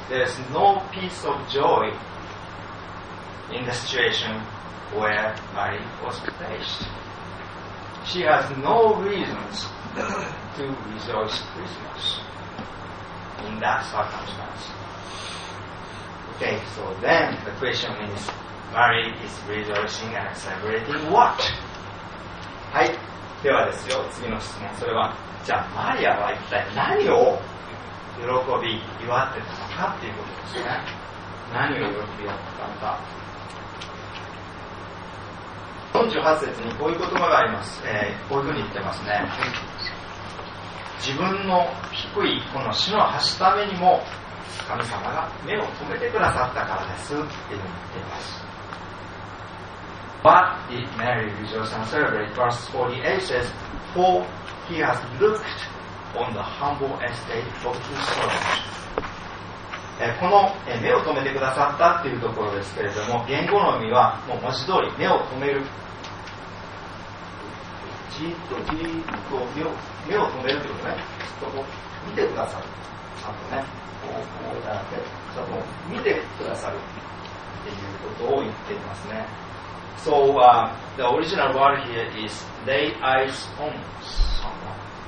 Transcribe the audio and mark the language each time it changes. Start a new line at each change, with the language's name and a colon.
English: There's no piece of joy in the situation where Mary was placed. She has no reasons to rejoice Christmas in that circumstance. Okay, so then the question is, Mary is rejoicing and celebrating what?
Japanese: はい、ではですよ、次の質問。それは、じゃあマリアは一体何を喜び祝ってたのかっていうことですね。何を喜び祝ってたのか。 48節にこういう言葉があります、こういうふうに言ってますね。自分の低いこの死の端ためにも神様が目を留めてくださったからですっていうふうに言っています。
English: But did Mary rejoice and celebrate? Verse 48 says, For he has looked on the humble estate of his servant.
Japanese: この目を止めてくださったというところですけれども、言語の意味はもう文字通り目を止める、じっとじっと目を止めるってことね。ちょっとこう見てくださる。ちゃんとね、こうじゃなくて、ちょっと見てくださるっていうことを言っていますね。
English: So, the original word here is lay eyes on someone.